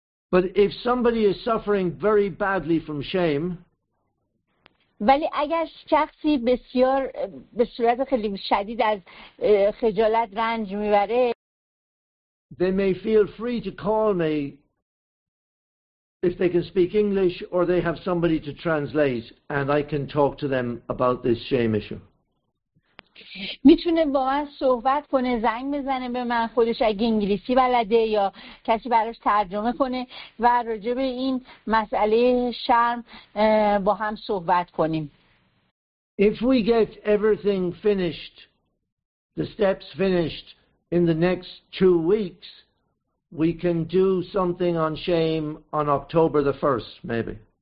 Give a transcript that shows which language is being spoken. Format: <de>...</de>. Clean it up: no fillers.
<en>But if somebody is suffering very badly from shame,</en> <fa>ولی اگر شخصی بسیار به صورت خیلی شدید از خجالت رنج میبره،</fa> <en>they may feel free to call me if they can speak English or they have somebody to translate and I can talk to them about this shame issue.</en> <fa>میتونه با من صحبت کنه، زنگ بزنه به من، خودش اگه انگلیسی بلده یا کسی براش ترجمه کنه و راجع به این مسئله شرم با هم صحبت کنیم.</fa> <en>If we get everything finished, the steps finished in the next 2 weeks, we can do something on shame on October the 1st, maybe.</en>